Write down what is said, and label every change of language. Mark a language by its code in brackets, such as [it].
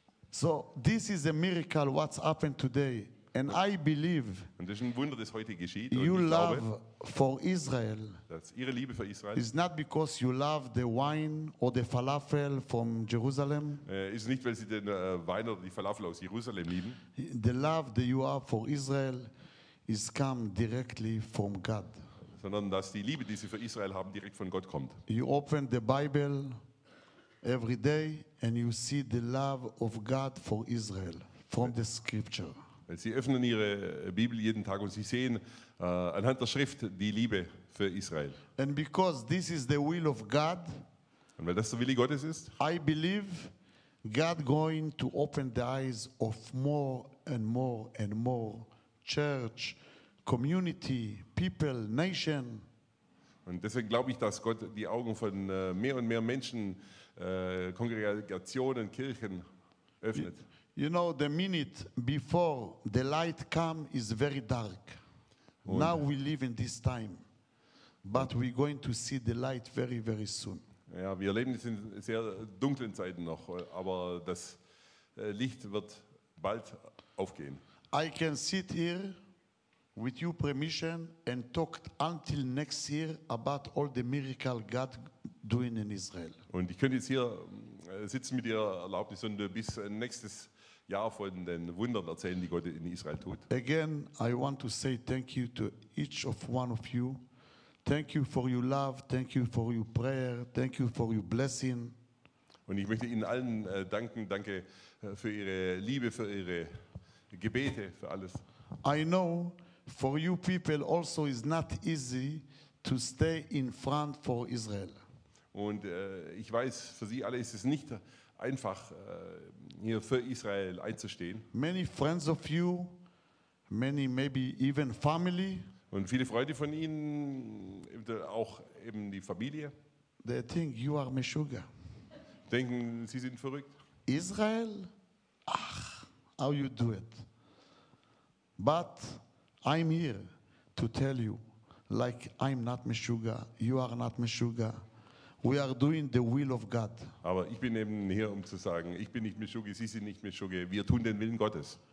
[en] So this is a miracle what's happened today. And I believe. [de] Und das ist ein Wunder, das heute geschieht. [en] You love for Israel. [de] Dass Ihre Liebe für Israel. [en] Is not because you love the wine or the falafel from Jerusalem. [de] Ist nicht, weil Sie den Wein oder die Falafel aus Jerusalem lieben. [en] The love that you have for Israel is come directly from God. [de] Sondern dass die Liebe, die Sie für Israel haben, direkt von Gott kommt. [en] You open the Bible every day and you see the love of God for Israel from the Scripture. [de] Sie öffnen Ihre Bibel jeden Tag und Sie sehen anhand der Schrift die Liebe für Israel. [en] And because this is the will of God, [de] und weil das der Wille Gottes ist, [en] I believe God going to open the eyes of more and more and more church, community, people, nation. [de] Und deswegen glaube ich, dass Gott die Augen von mehr und mehr Menschen, Kongregationen, Kirchen öffnet. [en] You know, the minute before the light come is very dark. [de] Und [en] now we live in this time, but we're going to see the light very, very soon. [de] Ja, wir leben jetzt in sehr dunklen Zeiten noch, aber das Licht wird bald aufgehen. [en] I can sit here with your permission and talk until next year about all the miracle God doing in Israel. [de] Und ich könnte jetzt hier sitzen mit Ihrer Erlaubnis und bis nächstes ja, von den Wundern erzählen, die Gott in Israel tut. [en] Again, I want to say thank you to each of one of you. Thank you for your love, thank you for your prayer, thank you for your blessing. [de] Und ich möchte Ihnen allen danken, danke für Ihre Liebe, für Ihre Gebete, für alles. [en] I know for you people also is not easy to stay in front for Israel. [de] Und ich weiß, für Sie alle ist es nicht einfach hier für Israel einzustehen. [en] Many friends of you, many maybe even family. [de] Und viele Freunde von Ihnen, auch eben die Familie. [en] They think you are meshuga. [de] Denken, Sie sind verrückt. [en] Israel, ach, how you do it? But I'm here to tell you, like I'm not meshuga, you are not meshuga. We are doing the will of God. [de] Aber ich bin eben hier, um zu sagen, ich bin nicht Meshuggah, Sie sind nicht Meshuggah, wir tun den Willen Gottes.